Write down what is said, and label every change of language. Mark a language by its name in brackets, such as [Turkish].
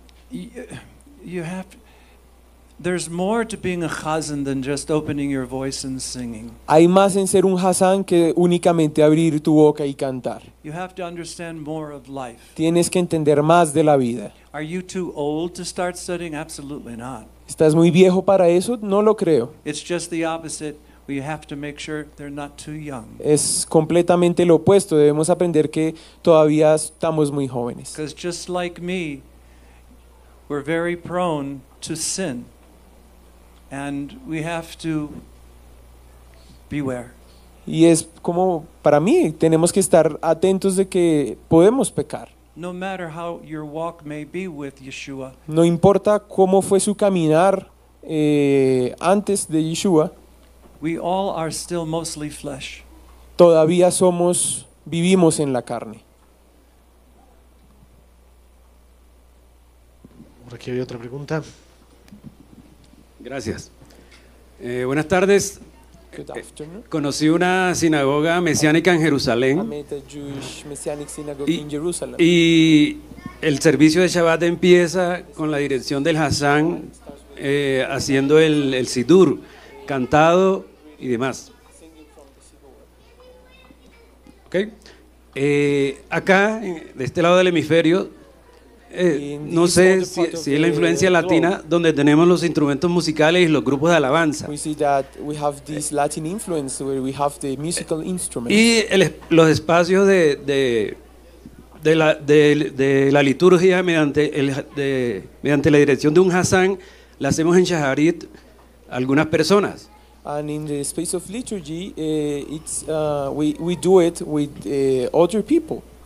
[English] you have, there's more to being a chazan than just opening your voice and singing. [Spanish] Hay más en ser un chazan que únicamente abrir tu boca y cantar. [English] You have to understand more of life. [Spanish] Tienes que entender más de la vida. [English] Are you too old to start studying? Absolutely not. [Spanish] ¿Estás muy viejo para eso? No lo creo. [English] It's just the opposite. We have to make sure they're not too young. [Spanish] Es completamente lo opuesto. Debemos aprender que todavía estamos muy jóvenes. [English] Because just like me, we're very prone to sin. And we have to beware. [Spanish] Y es como para mí, tenemos que estar atentos de que podemos pecar. [English] No matter how your walk may be with Yeshua. [Spanish] No importa cómo fue su caminar antes de Yeshua. [English] We all are still mostly flesh. [Spanish] Todavía somos, vivimos en la carne. Por aquí hay otra pregunta. Gracias. Buenas tardes. [English] Good afternoon. [Spanish] Conocí una sinagoga mesiánica en Jerusalén. [English] I met a Jewish Messianic synagogue in Jerusalem. [Spanish] Y el servicio de Shabbat empieza con la dirección del Hazan haciendo el sidur, cantado y demás. Okay. Acá, de este lado del hemisferio, no sé si es la influencia latina donde tenemos los instrumentos musicales y los grupos de alabanza. [English] We see that we have this Latin influence where we have the musical instruments. [Spanish] Y los espacios de la liturgia mediante la dirección de un Hazan la hacemos en Shaharit algunas personas. [English] And in the space of liturgy we do it with other people.